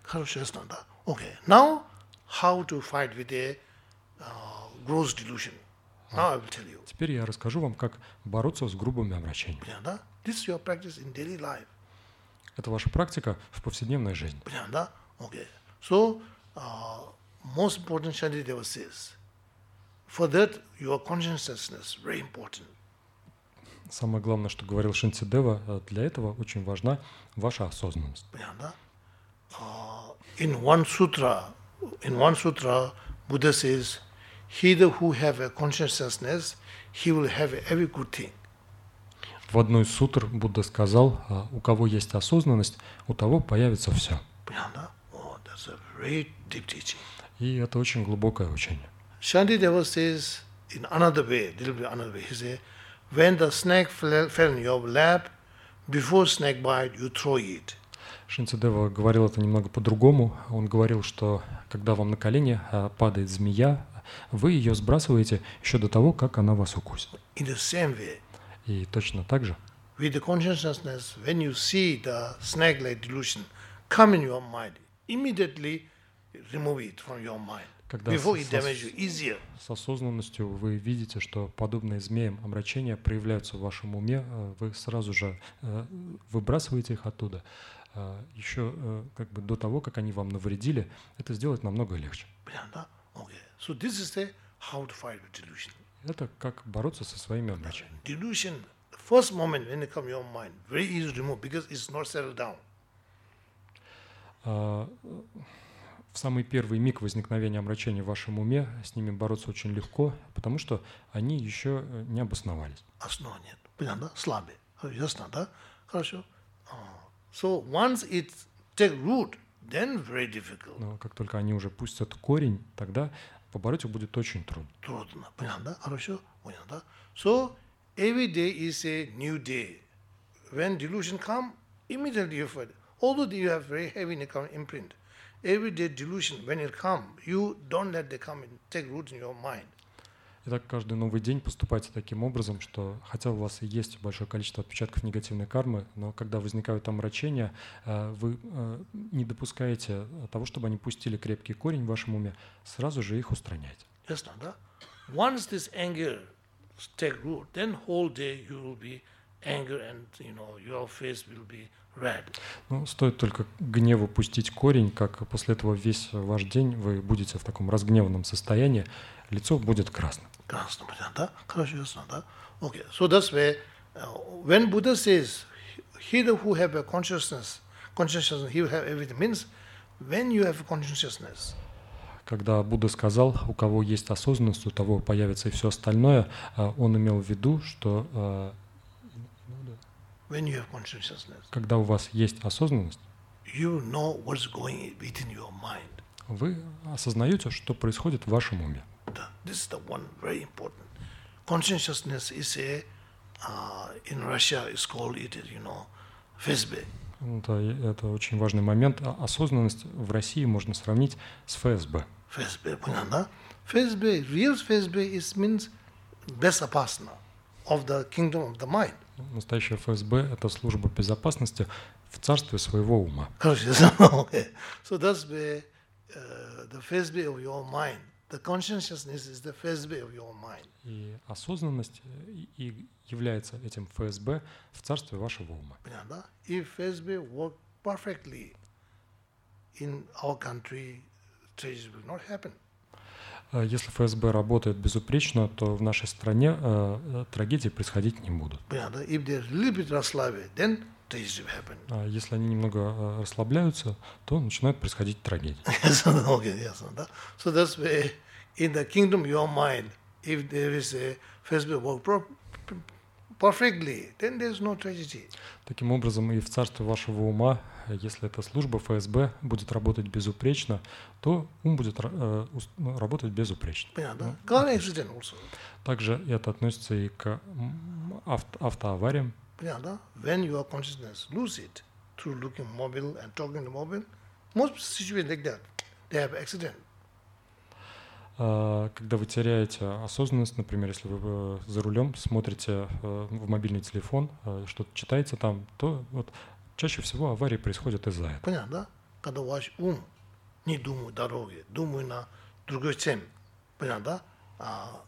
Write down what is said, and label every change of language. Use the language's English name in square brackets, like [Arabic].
[Russian] Хорошо, ясно, да? [English] Okay, now... How to fight with a gross delusion? Now I will tell you. [Russian] Теперь я расскажу вам, как бороться с грубыми омрачениями. Понятно, да? [English] This is your practice in daily life. [Russian] Это ваша практика в повседневной жизни. Понятно, да? Okay. [English] So most important Shantideva says, for that your consciousness very important. [Russian] Самое главное, что говорил Шантидева, для этого очень важна ваша осознанность. Понятно, да? [English] In one sutra, Buddha says, "He who have a consciousness, he will have every good thing." [Russian] В одной сутре Будда сказал, у кого есть осознанность, у того появится все. Понятно? [English] Oh, that's a very deep teaching. [Russian] И это очень глубокое учение. [English] Shantideva says in another way, a little bit another way. He says, "When the snake fell in your lap, before snake bite, you throw it." [Russian] Шантидева говорил это немного по-другому. Он говорил, что когда вам на колени падает змея, вы ее сбрасываете еще до того, как она вас укусит. [English] In the same way, [Russian] и точно так же. [English] With the consciousness, when you see the snake-like delusion come in your mind, immediately remove it from your mind. [Russian] Когда с осознанностью вы видите, что подобные змеям омрачения проявляются в вашем уме, вы сразу же выбрасываете их оттуда. Еще как бы до того, как они вам навредили, это сделать намного легче. Понятно, да? Okay. [English] So this is the how to fight with delusion. [Russian] Это как бороться со своими омрачениями. [English] Delusion, the first moment when it comes to your mind, very easy to remove because it's not settled down. [Russian] В самый первый миг возникновения омрачений в вашем уме с ними бороться очень легко, потому что они еще не обосновались. Основа нет. Понятно, да? Слабые. Ясно, да? Хорошо. [English] So once it take root, then very difficult. [Russian] Но как только они уже пустят корень, тогда побороть их будет очень трудно. Трудно, понятно, да? Хорошо, понятно, да? [English] So every day is a new day. When delusion come, immediately you fight. although you have very heavy imprint, every day delusion, when it comes, you don't let them come and take root in your mind. [Russian] Итак, каждый новый день поступайте таким образом, что хотя у вас и есть большое количество отпечатков негативной кармы, но когда возникают омрачения, вы не допускаете того, чтобы они пустили крепкий корень в вашем уме, сразу же их устранять. Ясно, да? [English] Once this anger take root, then whole day you will be anger and, you know, your face will be red. [Russian] Ну, стоит только гневу пустить корень, как после этого весь ваш день вы будете в таком разгневанном состоянии, лицо будет красным. Красным, да? Хорошо, ясно, да? [English] Okay, so that's where, when Buddha says, he who have a consciousness, he will have everything, means, when you have consciousness. [Russian] Когда Будда сказал, у кого есть осознанность, у того появится и все остальное, он имел в виду, что... [English] When you have consciousness. [Russian] Когда у вас есть осознанность, [English] you know what's going within your mind. [Russian] Вы осознаете, что происходит в вашем уме. [English] This is the one very important. Consciousness is a in Russia is called it, you know, FSB. [Russian] Это очень важный момент. Осознанность в России можно сравнить с ФСБ. [English] ФСБ, [Russian] понятно, да? [English] ФСБ, real ФСБ is means [Russian] безопасно [English] of the kingdom of the mind. [Russian] Настоящая ФСБ – это служба безопасности в царстве своего ума. [English] Хорошо, okay. So that's the FSB of your mind. The consciousness is the FSB of your mind. [Russian] И осознанность и является этим ФСБ в царстве вашего ума. Понятно, да? [English] If FSB work perfectly in our country, tragedy will not happen. [Russian] Если ФСБ работает безупречно, то в нашей стране трагедии происходить не будут. Понятно, да? [English] If they're a little bit [Russian] расслабили, [English] then tragedy will happen. [Russian] Если они немного расслабляются, то начинают происходить трагедии. Ясно, ясно, да? [English] So that's why in the kingdom your mind, if there is a FSB work perfectly, then there's no tragedy. [Russian] Таким образом, и в царстве вашего ума, если эта служба ФСБ будет работать безупречно, то ум будет работать безупречно. Понятно, да? Also. Также это относится и к автоавариям. Понятно, да? [English] When your consciousness lose it through looking mobile and talking to mobile, most situations like that, they have accident. [Russian] Когда вы теряете осознанность, например, если вы за рулем смотрите в мобильный телефон, что-то читаете там, то вот чаще всего аварии происходят из-за этого. Понятно, да? Когда ваш ум не думает о дороге, думает на другой теме, понятно, да?